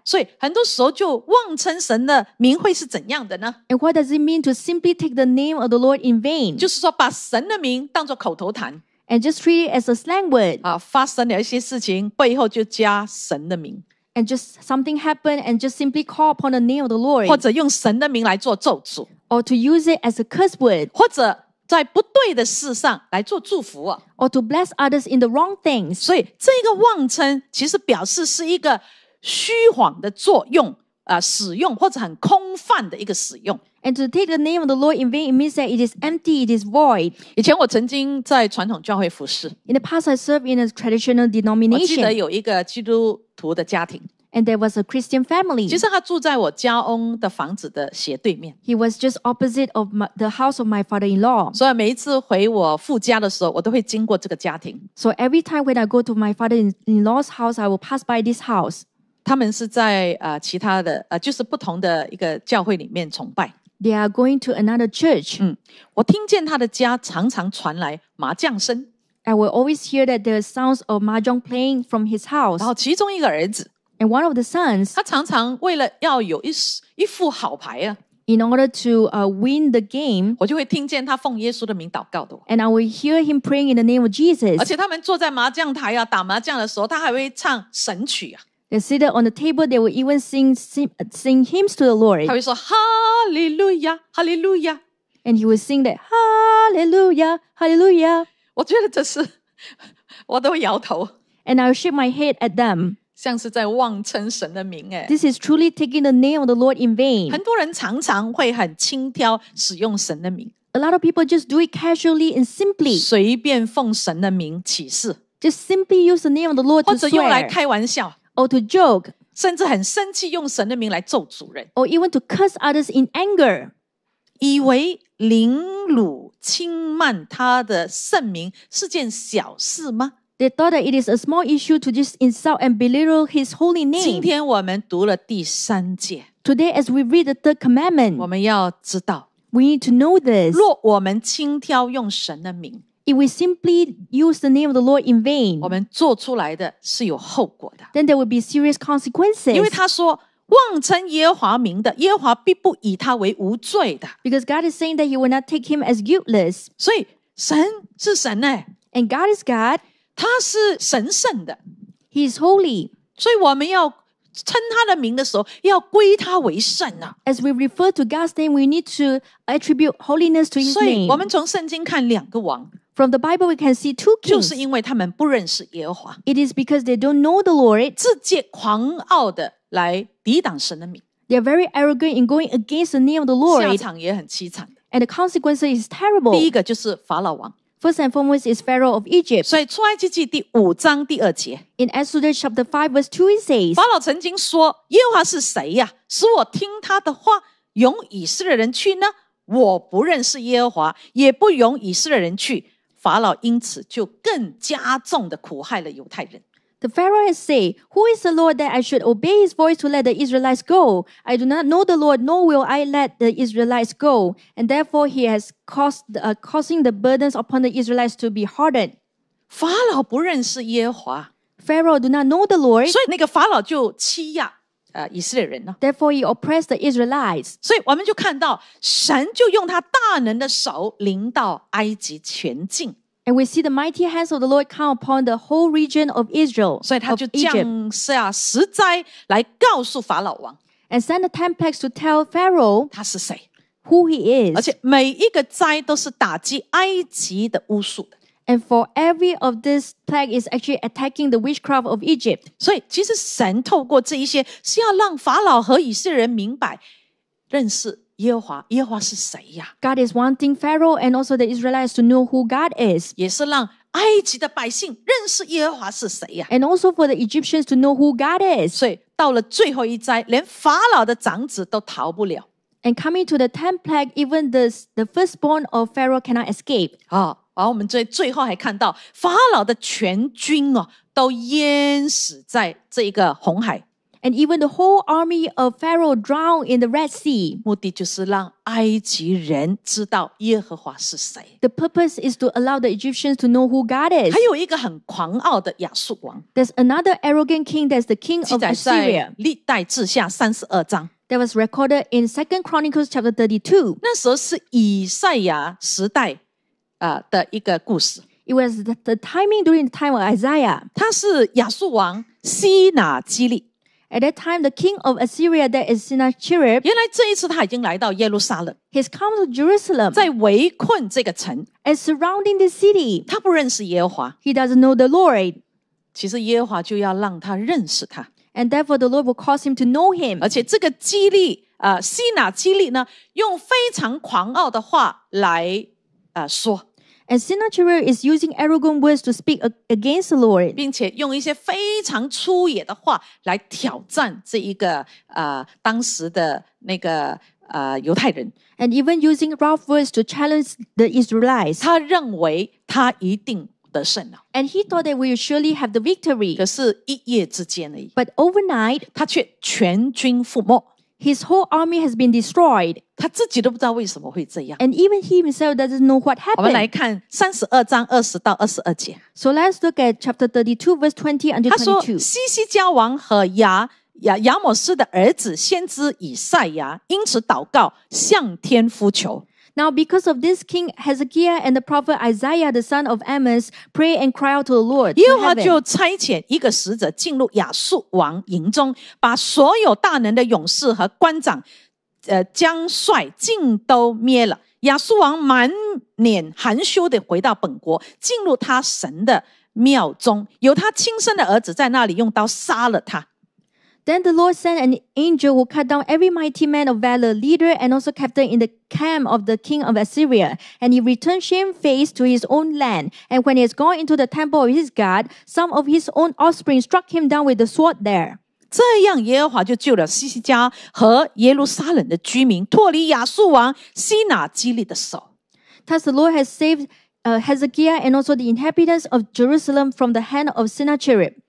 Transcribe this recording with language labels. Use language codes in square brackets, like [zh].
[zh] 所以很多时候就妄称神的名会是怎样的呢 [en] ？And what does it mean to simply take the name of the Lord in vain？ [zh] 就是说把神的名当作口头禅 [en] ，and just treat it as a slang word。 [zh] 啊，发生了一些事情，背后就加神的名 [en] ，and just something happened and just simply call upon the name of the Lord， [zh] 或者用神的名来做咒诅 [en] ，or to use it as a curse word， [zh] 或者。在不对的事上来做祝福、啊、 [en] or to bless others in the wrong things [zh] 所以这个妄称其实表示是一个虚谎的作用、使用或者很空泛的一个使用 [en] and to take the name of the Lord in vain it means that it is empty, it is void [zh] 以前我曾经在传统教会服事 [en] in the past I served in a traditional denomination [zh] 我记得有一个基督徒的家庭 [en] And there was a Christian family. [zh] 其实他住在我家翁的房子的斜对面。 [en] He was just opposite of my, the house of my father-in-law. [zh] 所以每一次回我父家的时候，我都会经过这个家庭。 [en] So every time when I go to my father-in-law's house, I will pass by this house. [zh] 他们是在、其他的、就是不同的一个教会里面崇拜。 [en] They are going to another church.、 [zh] 嗯、我听见他的家常常传来麻将声。 [en] I will always hear that the sounds of mahjong playing from his house. [zh] 然后其中一个儿子。 [en] And one of the sons, [zh] 他常常为了要有 一副好牌、啊、 [en] in order to、win the game, [zh] 我就会听见他奉耶稣的名祷告的。 [en] And I will hear him praying in the name of Jesus. [zh] 而且他们坐在麻将台、啊、打麻将的时候，他还会唱神曲、啊。 [en] They sit on the table, they will even sing hymns to the Lord. [zh] 他会说 Hallelujah, Hallelujah. [en] And he will sing that Hallelujah, Hallelujah. [zh] 我觉得这是，我都摇头。 [en] And I will shake my head at them. [zh] 像是在妄称神的名耶 [en] This is truly taking the name of the Lord in vain. [zh] 很多人常常会很轻佻使用神的名 [en] A lot of people just do it casually and simply. [zh] 随便奉神的名起誓 [en] Just simply use the name of the Lord to swear. [zh] 或者用来开玩笑 [en] Or to joke. [zh] 甚至很生气用神的名来咒诅人 [en] Or even to curse others in anger. [zh] 以为凌辱轻慢他的圣名是件小事吗 [en] They thought that it is a small issue to just insult and belittle his holy name. [zh] 今天我们读了第三诫。 [en] Today, as we read the third commandment, [zh] 我们要知道 [en] we need to know this. [zh] 若我们轻佻用神的名 [en] if we simply use the name of the Lord in vain, [zh] 我们做出来的是有后果的。 [en] Then there will be serious consequences. [zh] 因为他说妄称耶和华名的，耶和华必不以他为无罪的。 [en] Because God is saying that he will not take him as guiltless. [zh] 所以神是神呢。 [en] And God is God. [zh] 他是神圣的 [en] He is holy [zh] 所以我们要称他的名的时候要归他为圣、啊、 [en] As we refer to God's name We need to attribute holiness to his name [zh] 所以我们从圣经看两个王 [en] From the Bible we can see two kings [zh] 就是因为他们不认识耶和华 [en] It is because they don't know the Lord [zh] 自介狂傲的来抵挡神的名 [en] They are very arrogant in going against the name of the Lord [zh] 下场也很凄惨 [en] And the consequence is terrible [zh] 第一个就是法老王 [en] First and foremost is Pharaoh of Egypt. [zh] 所以出埃及记第五章第二节 [en] In Exodus chapter 5 verse 2 it says [zh] 法老曾经说耶和华是谁呀、啊、使我听他的话容以色列人去呢我不认识耶和华也不容以色列人去法老因此就更加重的苦害了犹太人 [en] The Pharaoh has said Who is the Lord that I should obey his voice to let the Israelites go? I do not know the Lord nor will I let the Israelites go and therefore he hascausing the burdens upon the Israelites to be hardened. [zh] 法老不认识耶和华 [en] Pharaoh do not know the Lord. [zh] 所以那个法老就欺压、以色列人了 [en] Therefore he oppressed the Israelites. [zh] 所以我们就看到神就用他大能的手临到埃及全境 [en] And we see the mighty hands of the Lord come upon the whole region of Israel. [zh] 所以他就降下十灾来告诉法老王 [en] And send the 10 plagues to tell Pharaoh [zh] 他是谁 [en] Who he is. [zh] 而且每一个灾都是打击埃及的巫术的。 [en] And for every of this plague is actually attacking the witchcraft of Egypt. [zh] 所以其实神透过这一些是要让法老和以色列人明白认识耶和华。耶和华是谁呀、啊、 [en] God is wanting Pharaoh and also the Israelites to know who God is. [zh] 也是让埃及的百姓认识耶和华是谁呀、 [en] 啊、And also for the Egyptians to know who God is. [zh] 所以到了最后一灾连法老的长子都逃不了。 [en] And coming to the 10th plague, even the firstborn of Pharaoh cannot escape. [zh] 好、哦、我们最后还看到法老的全军、哦、都淹死在这一个红海。 [en] And even the whole army of Pharaoh drowned in the Red Sea. [zh] 目的就是让埃及人知道耶和华是谁。 [en] The purpose is to allow the Egyptians to know who God is. [zh] 还有一个很狂傲的亚述王。 [en] There's another arrogant king that's the king of Assyria. [zh] 历代志下32章。 [en] That was recorded in 2 Chronicles chapter 32. [zh] 那时候是以赛亚时代的一个故事。 [en] It was the timing during the time of Isaiah. [zh] 他是亚述王西拿基利。 [en] At that time, the king of Assyria, that is Sennacherib, [zh] 原来这一次他已经来到耶路撒冷。 [en] He's come to Jerusalem. [zh] 在围困这个城。 [en] And surrounding the city. [zh] 他不认识耶和华。 [en] He doesn't know the Lord. [zh] 其实耶和华就要让他认识他。 [en] And therefore, the Lord will cause him to know him. [zh] 而且这个基利，西拿基利呢，用非常狂傲的话来说。 [en] And Sennacherib is using arrogant words to speak against the Lord. [zh] 并且用一些非常粗野的话来挑战这一个当时的那个犹太人。 [en] And even using rough words to challenge the Israelites. [zh] 他认为他一定得胜了。 [en] And he thought that we will surely have the victory. [zh] 可是一夜之间而已。 [en] But overnight, [zh] 他却全军覆没。 [en] His whole army has been destroyed. [zh] 他自己都不知道为什么会这样。 [en] And even he himself doesn't know what happened. [zh] 我们来看32章20到22节。 [en] So let's look at chapter 32, verse 20 until 22. [zh] 他说，西西家王和亚摩斯的儿子先知以赛亚因此祷告向天呼求。 [en] Now because of this king Hezekiah and the prophet Isaiah the son of Amos pray and cry out to the Lord. [zh] 耶和华就差遣一个使者进入亚述王营中，把所有大能的勇士和官长、将帅尽都灭了。亚述王满脸含羞地回到本国，进入他神的庙中，有他亲生的儿子在那里用刀杀了他。 [en] Then the Lord sent an angel who cut down every mighty man of valor, leader, and also captain in the camp of the king of Assyria. And he returned shamefaced to his own land. And when he has gone into the temple of his God, some of his own offspring struck him down with the sword there. [zh] 这样耶和华就救了西西家和耶路撒冷的居民，脱离亚述王西拿基利的手。 [en] Thus the Lord has saved Hezekiah and also the inhabitants of Jerusalem from the hand of Sennacherib.